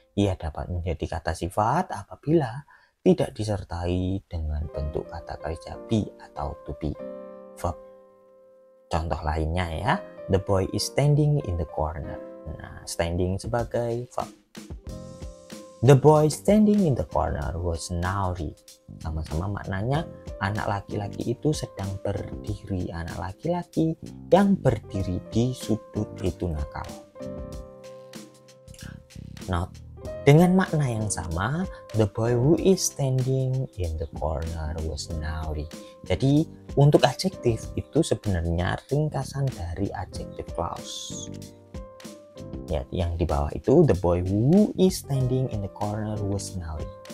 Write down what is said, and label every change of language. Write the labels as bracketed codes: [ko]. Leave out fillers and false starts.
[id] Ia dapat menjadi kata sifat apabila tidak disertai dengan bentuk kata kerja be atau to be. Verb. Contoh lainnya ya. [en] The boy is standing in the corner. [id] Nah, standing sebagai verb. [en] The boy standing in the corner was naughty. [id] Sama-sama maknanya, anak laki-laki itu sedang berdiri. Anak laki-laki yang berdiri di sudut itu nakal. [en] Not. [id] Dengan makna yang sama, [en] the boy who is standing in the corner was naughty. [id] Jadi, untuk adjektif itu sebenarnya ringkasan dari adjective clause. Ya, yang di bawah itu, [en] the boy who is standing in the corner was naughty.